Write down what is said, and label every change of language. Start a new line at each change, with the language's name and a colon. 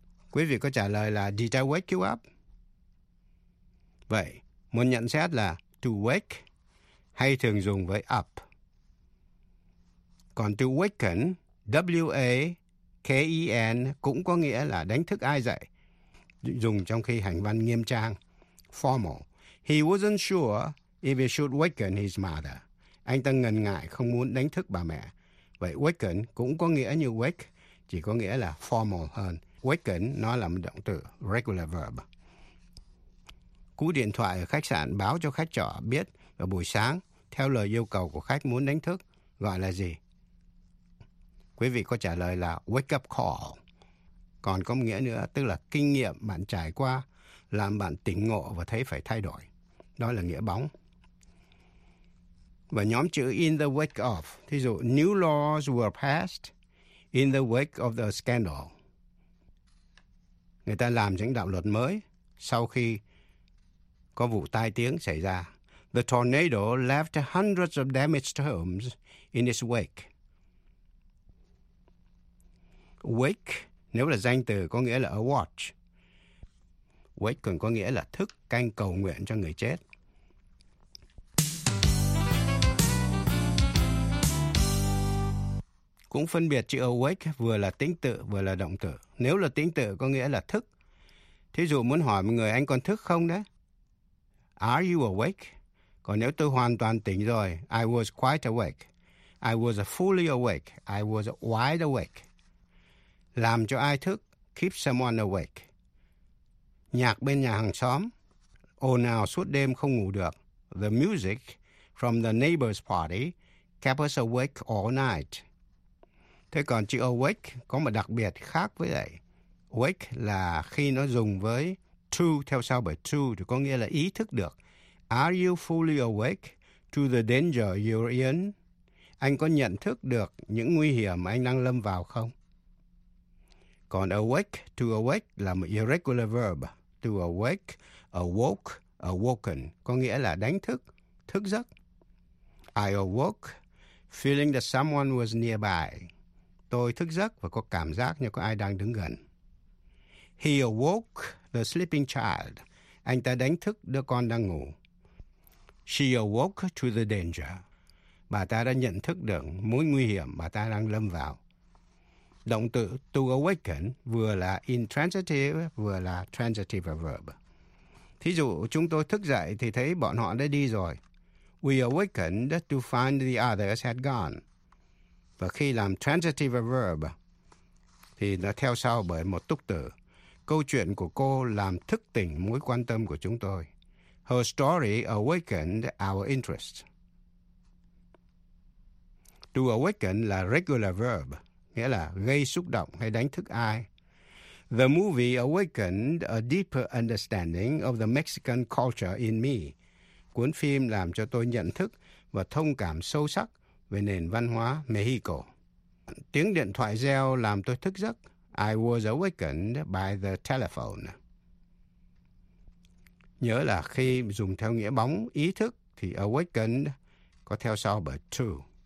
Vietnamese: Quý vị có trả lời là,
English: did I wake you up?
Vietnamese: Vậy, muốn nhận xét là, to wake, hay thường dùng với up. Còn to waken, W-A-K-E-N, cũng có nghĩa là đánh thức ai dậy. Dùng trong khi hành văn nghiêm trang, formal.
English: He wasn't sure if he should waken his mother.
Vietnamese: Anh ta ngần ngại không muốn đánh thức bà mẹ. Vậy waken cũng có nghĩa như wake, chỉ có nghĩa là formal hơn. Waken nó là một động từ, regular verb. Cú điện thoại ở khách sạn báo cho khách trọ biết vào buổi sáng, theo lời yêu cầu của khách muốn đánh thức, gọi là gì? Quý vị có trả lời là wake up call. Còn có nghĩa nữa, tức là kinh nghiệm bạn trải qua làm bạn tỉnh ngộ và thấy phải thay đổi. Đó là nghĩa bóng. Và nhóm chữ in the wake of, thí dụ
English: new laws were passed in the wake of the scandal.
Vietnamese: Người ta làm những đạo luật mới sau khi có vụ tai tiếng xảy ra.
English: The tornado left hundreds of damaged homes in its wake.
Vietnamese: Wake, nếu là danh từ, có nghĩa là a watch. Wake còn có nghĩa là thức canh cầu nguyện cho người chết. Cũng phân biệt chữ awake vừa là tính tự vừa là động từ. Nếu là tính tự có nghĩa là thức. Thí dụ muốn hỏi một người anh còn thức không đấy?
English: Are you awake?
Vietnamese: Còn nếu tôi hoàn toàn tỉnh rồi,
English: I was quite awake. I was fully awake. I was wide awake.
Vietnamese: Làm cho ai thức,
English: keep someone awake.
Vietnamese: Nhạc bên nhà hàng xóm, ồn ào suốt đêm không ngủ được.
English: The music from the neighbor's party kept us awake all night.
Vietnamese: Thế còn chữ awake có một đặc biệt khác với vậy. Wake là khi nó dùng với true theo sau bởi true thì có nghĩa là ý thức được.
English: Are you fully awake to the danger you're in?
Vietnamese: Anh có nhận thức được những nguy hiểm mà anh đang lâm vào không? Còn awake, to awake là một irregular verb. To awake, awoke, awoken có nghĩa là đánh thức, thức giấc.
English: I awoke feeling that someone was nearby.
Vietnamese: Tôi thức giấc và có cảm giác như có ai đang đứng gần.
English: He awoke the sleeping child.
Vietnamese: Anh ta đánh thức đứa con đang ngủ.
English: She awoke to the danger.
Vietnamese: Bà ta đã nhận thức được mối nguy hiểm bà ta đang lâm vào. Động từ to awaken vừa là intransitive vừa là transitive verb. Thí dụ chúng tôi thức dậy thì thấy bọn họ đã đi rồi.
English: We awakened to find the others had gone.
Vietnamese: Và khi làm transitive verb thì nó theo sau bởi một túc từ. Câu chuyện của cô làm thức tỉnh mối quan tâm của chúng tôi.
English: Her story awakened our interest.
Vietnamese: To awaken là regular verb, nghĩa là gây xúc động hay đánh thức ai.
English: The movie awakened a deeper understanding of the Mexican culture in me.
Vietnamese: Cuốn phim làm cho tôi nhận thức và thông cảm sâu sắc về nền văn hóa Mexico. Tiếng điện thoại reo làm tôi thức giấc.
English: I was awakened by the telephone.
Vietnamese: Nhớ là khi dùng theo nghĩa bóng, ý thức, thì awakened có theo sau bởi true.